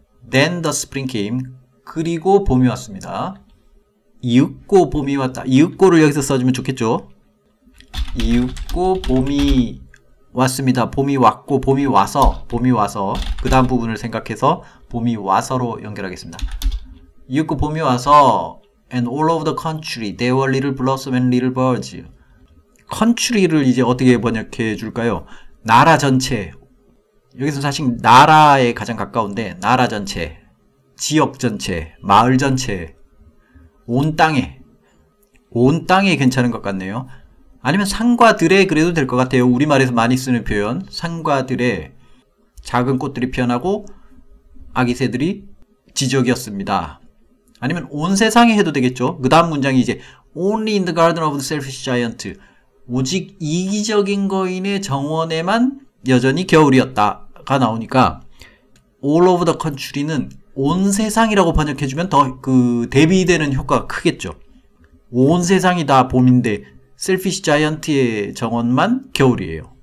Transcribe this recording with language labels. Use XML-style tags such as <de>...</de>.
<en>Then the spring came.</en> <ko>그리고 봄이 왔습니다. 이윽고 봄이 왔다. 이윽고를 여기서 써주면 좋겠죠? 이윽고 봄이 왔습니다. 봄이 왔고, 봄이 와서, 봄이 와서. 그 다음 부분을 생각해서 봄이 와서로 연결하겠습니다. 이윽고 봄이 와서,</ko> <en>and all over the country, there were little blossom and little birds.</en> <ko>country를 이제 어떻게 번역해 줄까요? 나라 전체. 여기서 사실 나라에 가장 가까운데, 나라 전체, 지역 전체, 마을 전체, 온 땅에, 온 땅에 괜찮은 것 같네요. 아니면 산과 들에 그래도 될것 같아요. 우리말에서 많이 쓰는 표현. 산과 들에 작은 꽃들이 피어나고 아기새들이 지저귀었습니다. 아니면 온 세상에 해도 되겠죠? 그 다음 문장이 이제</ko> <en>Only in the garden of the selfish giant.</en> <ko>오직 이기적인 거인의 정원에만 여전히 겨울이었다. 가 나오니까</ko> <en>all over the country</en> <ko>는 온 세상이라고 번역해주면 더그 대비되는 효과가 크겠죠. 온 세상이 다 봄인데 셀피시 자이언트의 정원만 겨울이에요.</ko>